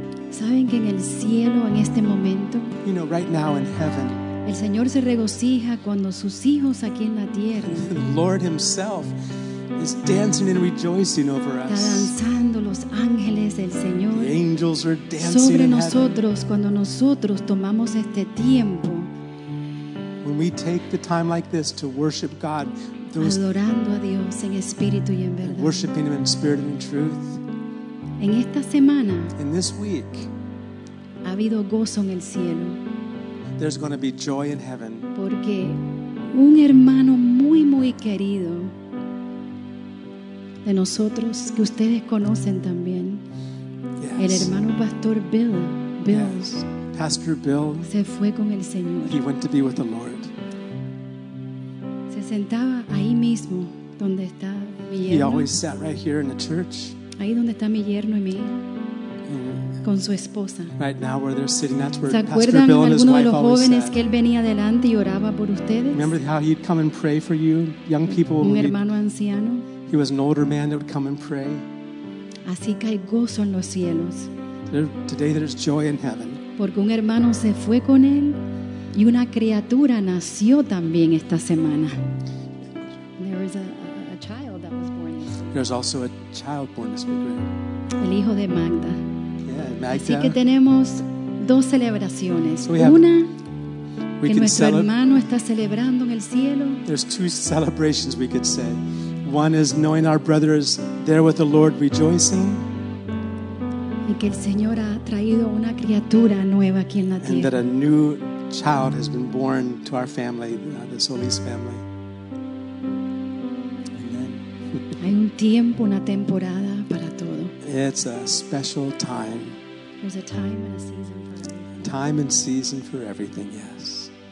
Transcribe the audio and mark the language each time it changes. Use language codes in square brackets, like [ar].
[es] ¿Saben que en el cielo en este momento? [en] You know, right now in heaven. [es] El Señor se regocija cuando sus hijos aquí en la tierra. [en] The Lord himself is dancing and rejoicing over us. [es] Está danzando los ángeles del Señor. [en] The angels are dancing [es] sobre nosotros cuando nosotros tomamos este tiempo. [en] When we take the time like this to worship God, [es] adorando a Dios en espíritu y en verdad. [en] And worshiping him in spirit and in truth. [es] En esta semana, [en] in this week, [es] ha habido gozo en el cielo. [en] There's going to be joy in heaven. [es] Porque un hermano muy muy querido de nosotros que ustedes conocen también. [en] Yes. [es] El hermano Pastor Bill. [en] Yes. Pastor Bill. [es] Se fue con el Señor. [en] He went to be with the Lord. [es] Se sentaba ahí mismo donde está mi yerno. [en] He always sat right here in the church. [es] Ahí donde está mi yerno y mi hija. Con su esposa. [en] Right now where they're sitting, that's where [es] ¿se acuerdan [en] Pastor Bill [es] alguno [en] and his [es] de los [en] wife [es] jóvenes [en] sat? [es] Que él venía adelante y oraba por ustedes? [en] Remember how he'd come and pray for you, young people. [es] Un hermano anciano. [en] He was an older man that would come and pray. [es] Así que hay gozo en los cielos. [en] Today there's joy in heaven. [es] Porque un hermano se fue con él y una criatura nació también esta semana. [en] There was a child that was born. There's also a child born this week. [es] El hijo de Magda. Magda. Así que tenemos dos celebraciones. Una que nuestro hermano está celebrando en el cielo. [en] There's two celebrations we could say. One is knowing our brother is there with the Lord rejoicing. [es] Y que el Señor ha traído una criatura nueva aquí en la tierra. [en] And that a new child has been born to our family, the Solis family. Amen. [es] Hay un tiempo, una temporada para todo. [en] It's a special time. There's a time and a season for everything. Time and season for everything, yes.